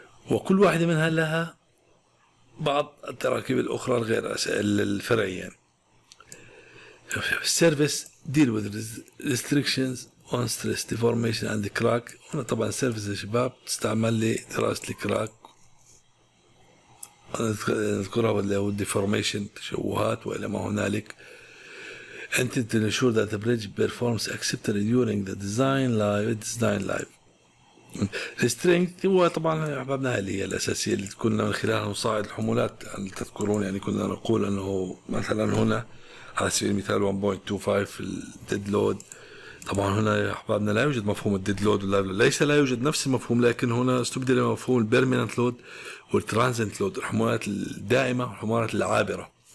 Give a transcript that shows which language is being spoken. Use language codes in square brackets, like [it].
[ar] وكل واحدة منها لها بعض التراكيب الأخرى الغير الفرعية. [en] السيرفيس deal with restrictions on stress deformation and crack. [ar] هنا طبعا السيرفيس يا شباب تستعمل لدراسة الكراك، نذكرها اللي هو deformation تشوهات وإلى ما هنالك. [en] أنت to ensure that the bridge performs acceptably during the design life. [ar] السترينج هو طبعا احبابنا اللي هي الاساسيه اللي كنا من خلالها نصاعد الحمولات، اللي تذكرون يعني كنا نقول انه مثلا هنا على سبيل المثال 1.25 الديد لود. طبعا هنا يا احبابنا لا يوجد مفهوم الديد لود، ولا ليس لا يوجد نفس المفهوم، لكن هنا استبدل مفهوم البيرمننت لود والترانزنت لود، الحمولات الدائمه والحمولات العابره.